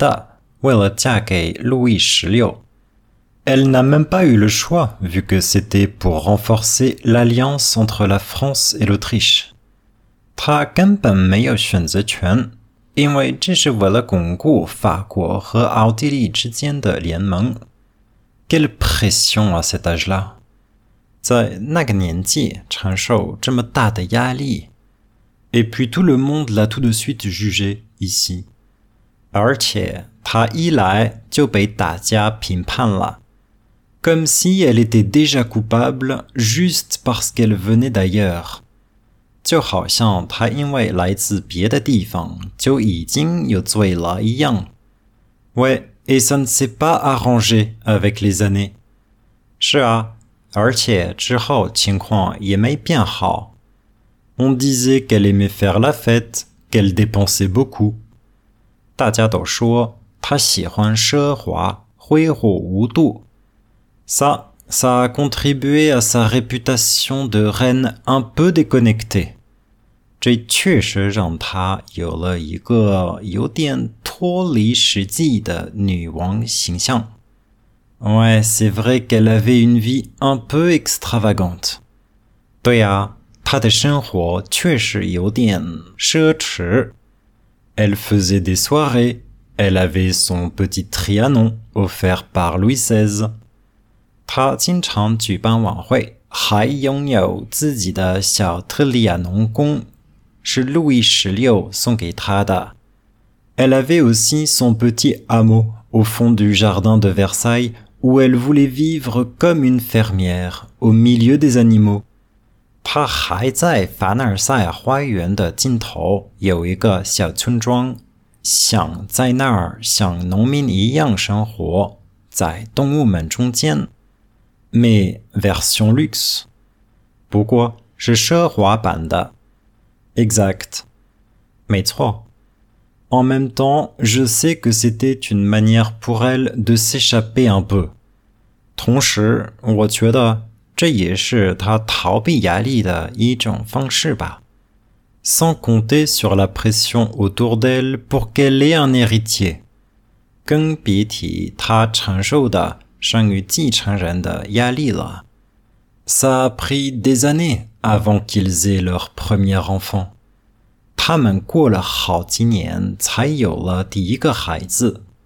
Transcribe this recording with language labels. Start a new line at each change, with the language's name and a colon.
Chinese: 她是从奥地利来的,为了嫁给路易十六.
French: Elle n'a même pas eu le choix, vu que c'était pour renforcer l'alliance entre la France et l'Autriche.
Chinese: 她根本没有选择权,因为这是为了巩固法国和奥地利之间的联盟.
French: Quelle pression à cet âge-là!
Chinese: 在那个年纪,承受这么大的压力.
French: Et puis tout le monde l'a tout de suite jugé, ici.
Chinese: 而且,她一来就被大家评判了.
French: Comme si elle était déjà coupable juste parce qu'elle venait d'ailleurs.
Chinese: 就好像她因为来自别的地方就已经有罪了一样.
French: Ouais, et ça ne s'est pas arrangé avec les années.
Chinese: 是啊,而且之后情况也没变好.
French: On disait qu'elle aimait faire la fête, qu'elle dépensait beaucoup.
Chinese: 大家都说, 她喜欢奢华，挥霍无度。
French: Ça, ça a contribué à sa réputation de reine un peu déconnectée.
Chinese: 这确实让她有了一个有点脱离实际的女王形象。
French: Ouais, c'est vrai qu'elle avait une vie un peu extravagante.
Chinese: 对啊，她的生活确实有点奢侈。
French: Elle faisait des soirées. Elle avait son petit Trianon offert par Louis XVI.
Chinese: 她经常举办晚会，还拥有自己的小特里亚农宫，是路易十六送给她的。
French: Elle avait aussi son petit hameau au fond du jardin de Versailles. Où elle voulait vivre comme une fermière au milieu des animaux.
Chinese: 她还在凡尔赛花园的尽头有一个小村庄，想在那儿像农民一样生活，在动物们中间。
French: Mais version luxe.
Chinese: 不过是奢华版的。
French: Exact.
Chinese: 没错。
French: En même temps, je sais que c'était une manière pour elle de s'échapper un peu.
Chinese: 同时，我觉得这也是他逃避压力的一种方式吧。
French: Sans compter sur la pression autour d'elle pour qu'elle ait un héritier.
Chinese: 更别提他承受的生于继承人的压力了。
French: Ça a pris des années avant qu'ils aient leur premier enfant.
Chinese: 他们过了好几年才有了第一个孩子。